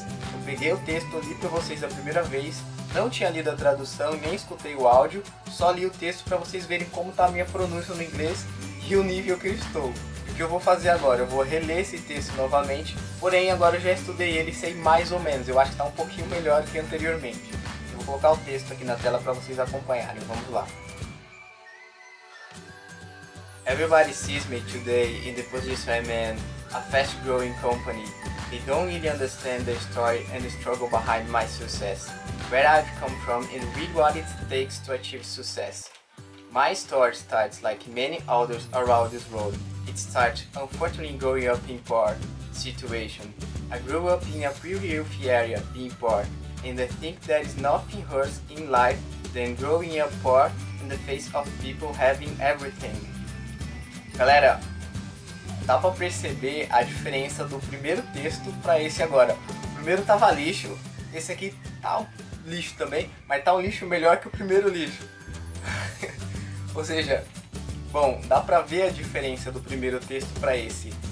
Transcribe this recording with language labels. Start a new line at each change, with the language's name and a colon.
Portuguese: Eu peguei o texto, li para vocês a primeira vez, não tinha lido a tradução, nem escutei o áudio, só li o texto para vocês verem como está a minha pronúncia no inglês e o nível que eu estou. O que eu vou fazer agora? Eu vou reler esse texto novamente, porém agora eu já estudei ele e sei mais ou menos, eu acho que está um pouquinho melhor que anteriormente. Eu vou colocar o texto aqui na tela para vocês acompanharem, vamos lá.
English: Everybody sees me today in the position I'm in, a fast growing company. They don't really understand the story and the struggle behind my success, where I've come from and read what it takes to achieve success. My story starts like many others around this world. It starts unfortunately growing up in poor situation. I grew up in a pretty healthy area, being poor, and I think there is nothing worse in life than growing up poor in the face of people having everything.
Portuguese: Galera, dá pra perceber a diferença do primeiro texto pra esse agora. O primeiro tava lixo, esse aqui tá um lixo também, mas tá um lixo melhor que o primeiro lixo. Ou seja, bom, dá pra ver a diferença do primeiro texto pra esse.